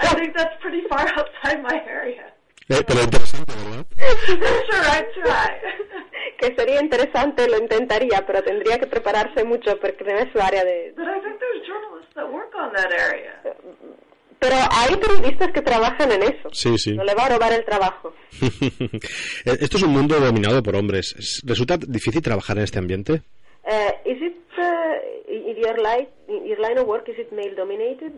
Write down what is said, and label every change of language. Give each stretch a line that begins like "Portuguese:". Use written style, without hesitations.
English: I think that's pretty far outside my area.
Spanish: Pero interesante, ¿verdad?
English: I try.
Spanish: Que sería interesante, lo intentaría, pero tendría que prepararse mucho porque no es su área de...
English: But I think there's journalists that work on that area.
Spanish: Pero hay periodistas que trabajan en eso. Sí, sí. No le va a robar el trabajo. Esto es un mundo dominado por hombres. ¿Resulta difícil trabajar en este ambiente?
English: Is it your line of work, is it male dominated?